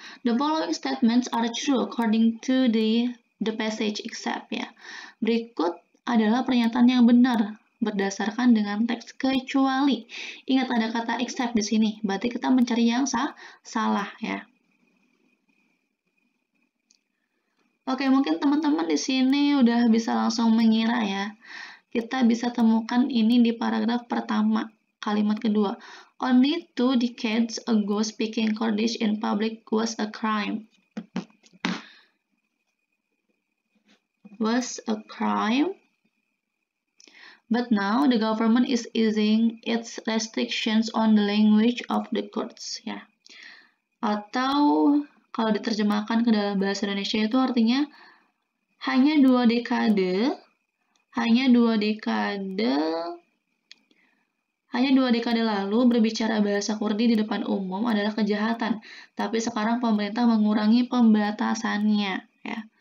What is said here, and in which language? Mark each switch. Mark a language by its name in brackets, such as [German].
[English] The following statements are true according to the passage except, ya. [Indonesian] Berikut adalah pernyataan yang benar berdasarkan dengan teks kecuali. Ingat ada kata except di sini, berarti kita mencari yang salah, ya. Oke, mungkin teman-teman di sini udah bisa langsung mengira, ya. Kita bisa temukan ini di paragraf pertama, kalimat kedua. [English] Only 2 decades ago, speaking Kurdish in public was a crime. Was a crime. But now the government is easing its restrictions on the language of the Kurds. Ya. [Indonesian] Atau kalau diterjemahkan ke dalam bahasa Indonesia itu artinya hanya dua dekade lalu berbicara bahasa Kurdi di depan umum adalah kejahatan, tapi sekarang pemerintah mengurangi pembatasannya. Ya.